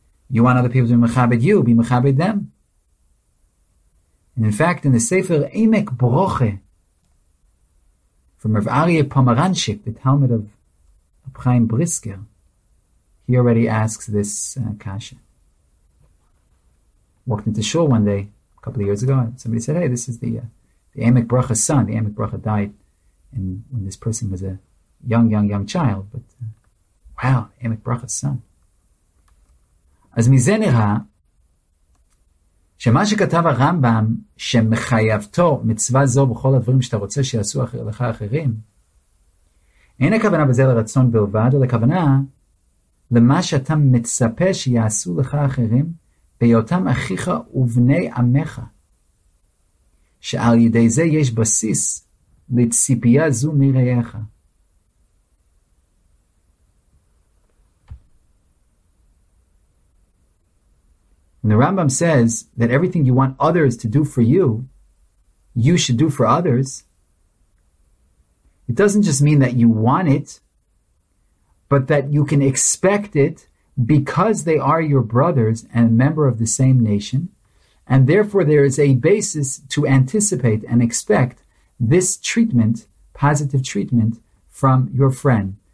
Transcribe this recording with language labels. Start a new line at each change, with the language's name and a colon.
English: You want other people to be mechabed you, be mechabed them. And in fact, in the Sefer Emek Broche from Rav Arye Pomeranchik, the Talmud of Chaim Brisker, he already asks this kasha. Walked into shul one day, a couple of years ago, and somebody said, hey, this is the Emek Broche's son. The Emek Broche died when this person was a young child. But wow, Emek Broche's son. As Mizenera,
Hebrew: שמה שכתב הרמב״ם שמחייבתו מצווה זו בכל הדברים שאתה רוצה שיעשו לך אחרים אין הכוונה בזה לרצון בלבד אלא הכוונה למה שאתה מצפה שיעשו לך אחרים ביותם אחיך ובני עמך שעל ידי זה יש בסיס לציפייה זו מרעיך
English: And the Rambam says that everything you want others to do for you, you should do for others. It doesn't just mean that you want it, but that you can expect it because they are your brothers and a member of the same nation. And therefore, there is a basis to anticipate and expect this treatment, positive treatment, from your friend.